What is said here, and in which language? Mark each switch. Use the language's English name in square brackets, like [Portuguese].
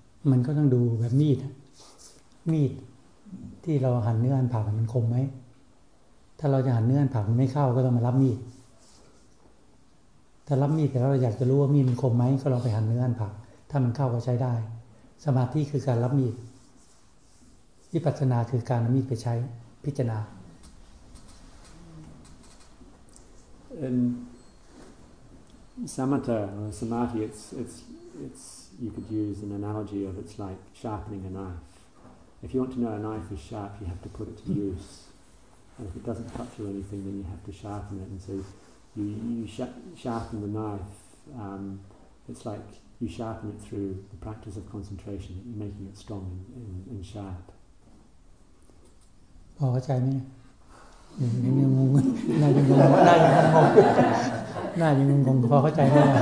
[Thai] มันก็ต้องดูแบบมีดมีดที่เราหั่นเนื้ออันผักมันคมไหมถ้าเราจะหั่นเนื้ออันผักมันไม่เข้าก็ต้องมารับมีดถ้ารับมีดแต่เราอยากจะรู้ว่ามีดมันคมไหมก็ลองไปหั่นเนื้ออันผักถ้ามันเข้าก็ใช้ได้สมาธิคือการรับมีดวิปัสสนาคือการนำมีดไปใช้พิจารณา [English] in samatha or samadhi it's you could use an analogy of it's like sharpening a knife. If you want to know a knife is sharp, you have to put it to use. And if it doesn't cut through anything, then you have to sharpen it. And so you sharpen the knife. It's like you sharpen it through the practice of concentration, making it strong and sharp. Oh, I mean. [Thai] ในมุมน่าจะงงน่าจะงงน่าจะงงงพอเข้าใจไหม